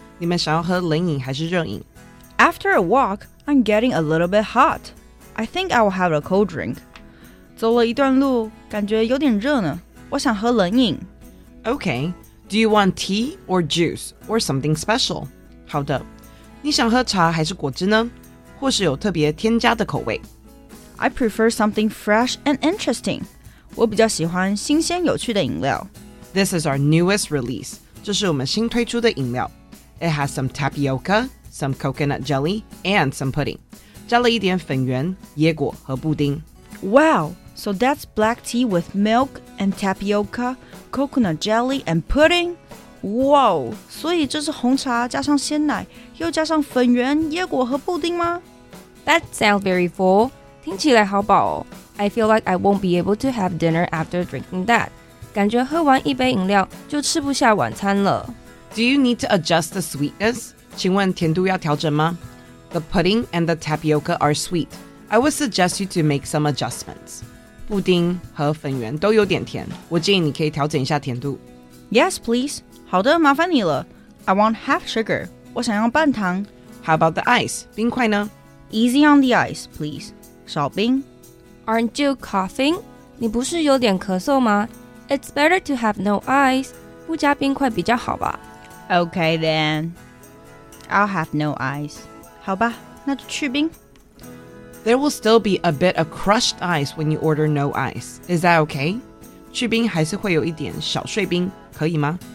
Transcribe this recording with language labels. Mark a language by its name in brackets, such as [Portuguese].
[Chinese] 你们想要喝冷饮还是热饮? [English] After a walk, I'm getting a little bit hot. I think I will have a cold drink. [Chinese] 走了一段路,感觉有点热呢。我想喝冷饮。 [English] Okay, do you want tea or juice or something special? [Chinese] 好的。你想喝茶还是果汁呢? 或是有特别添加的口味? [English] I prefer something fresh and interesting. [Chinese] 我比较喜欢新鲜有趣的饮料。 [English] This is our newest release. [Chinese] 这是我们新推出的饮料。 [English] It has some tapioca, some coconut jelly, and some pudding. [Chinese] 加了一点粉圆、椰果和布丁。 [English] Wow, so that's black tea with milk and tapioca, coconut jelly, and pudding? [Chinese] Wow, 所以这是红茶加上鲜奶，又加上粉圆、椰果和布丁吗？ [English] That sounds very full. [Chinese] 听起来好饱哦。 [English] I feel like I won't be able to have dinner after drinking that. [Chinese] 感觉喝完一杯饮料就吃不下晚餐了。 [English] Do you need to adjust the sweetness? [Chinese] 请问甜度要调整吗? [English] The pudding and the tapioca are sweet. I would suggest you to make some adjustments. [Chinese] 布丁和粉圆都有点甜,我建议你可以调整一下甜度。 [English] Yes, please. [Chinese] 好的,麻烦你了。 [English] I want half sugar. [Chinese] 我想要半糖。 [English] How about the ice? [Chinese] 冰块呢? [English] Easy on the ice, please. [Chinese] 少冰。 [English] Aren't you coughing? [Chinese] 你不是有点咳嗽吗? [English] It's better to have no ice. [Chinese] 不加冰块比较好吧。 [English] Okay then. I'll have no ice. [Chinese] 好吧，那就去冰。 [English] There will still be a bit of crushed ice when you order no ice. Is that okay? [Chinese] 去冰还是会有一点小碎冰，可以吗？